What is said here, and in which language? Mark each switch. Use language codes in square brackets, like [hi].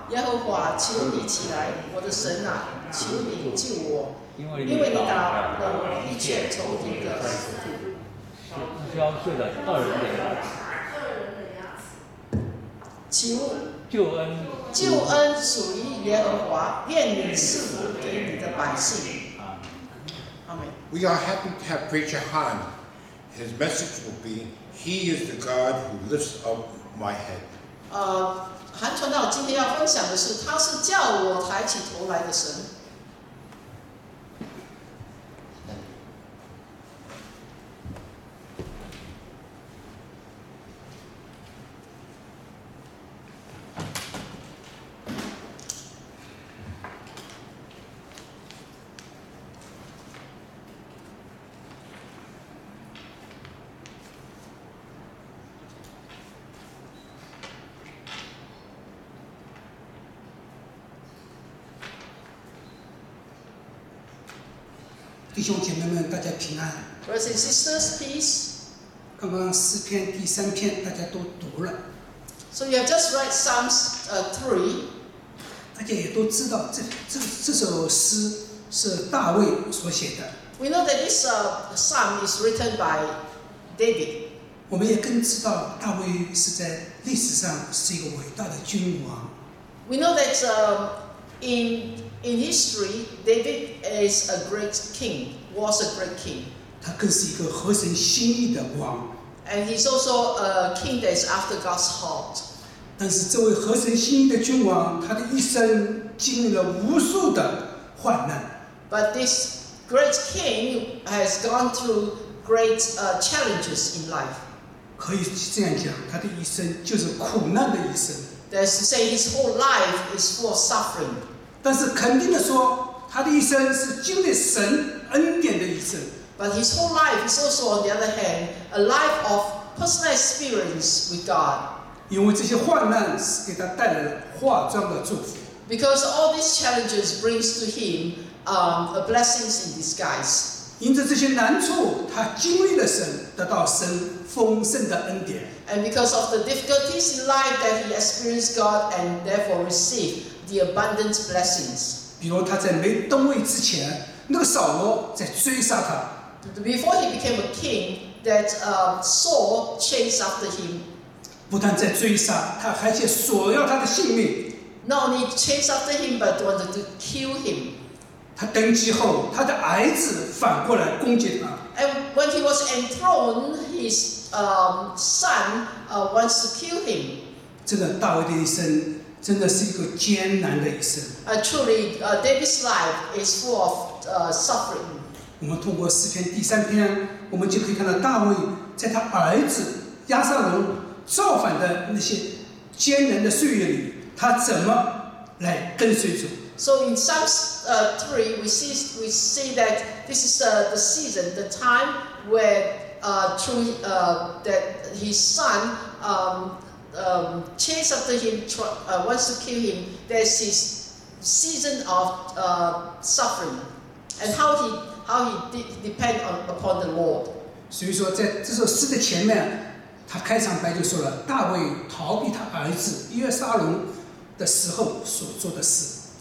[zh] 耶和华，求你起来，我的神啊，求你救我，因为你打了我一切仇敌的死主。消碎了二人的牙齿。救恩，救恩属于耶和华，愿你赐福给你的百姓。 [en] We are happy to have Preacher Han. His message will be, He is the God who lifts up my head. [zh] 韩传道今天要分享的是，他是叫我抬起头来的神。弟兄姐妹们，大家平安。 [en] Brothers and sisters, peace. [zh] 刚刚诗篇第三篇大家都读了。 [en] So you have just read Psalms 3. [zh] 大家也都知道 这首诗是大卫所写的。 [en] We know that this psalm is written by David. [zh] 我们也更知道大卫是在历史上是一个伟大的君王。 [en] We know that in history, David is a great king, was a great king. [zh] 他更是一个合神心意的王。 [en] And he's also a king that is after God's heart. [zh] 但是这位合神心意的君王，他的一生经历了无数的患难。 [en] But this great king has gone through great challenges in life. [zh] 可以这样讲，他的一生就是苦难的一生。 [en] That's to say his whole life is full of suffering. [zh] 但是肯定的说，他的一生是经历神恩典的一生。 [en] But his whole life is also, on the other hand, a life of personal experience with God. [zh] 因为这些患难是给他带来了化妆的祝福。 [en] Because all these challenges brings to him a blessings in disguise. [zh] 因着这些难处，他经历了神，得到神丰盛的恩典。 [en] And because of the difficulties in life that he experienced God and therefore received. The abundant blessings. [zh] 比如他在没登位之前，那个扫罗在追杀他。 [en] Before he became a king, that Saul chased after him. [zh] 不但在追杀，他还且索要他的性命。 [en] Not only chased after him, but wanted to kill him. [zh] 他登基后，他的儿子反过来攻击他。 [en] And when he was enthroned, his son wants to kill him. [zh] 这个大卫的一生。真的是一个艰难的一生。 [en] David's life is full of suffering. [zh] 我们通过诗篇第三篇，我们就可以看到大卫在他儿子亚撒龙造反的那些艰难的岁月里，他怎么来跟随主。 [en] So in Psalms 3, we see that this is the season, the time where that his son. Chase after him, wants to kill him. There's his season of suffering, and how he depend upon the Lord. [zh] 所以说，在这首诗的前面，他开场白就说了大卫逃避他儿子约沙龙的时候所做的事。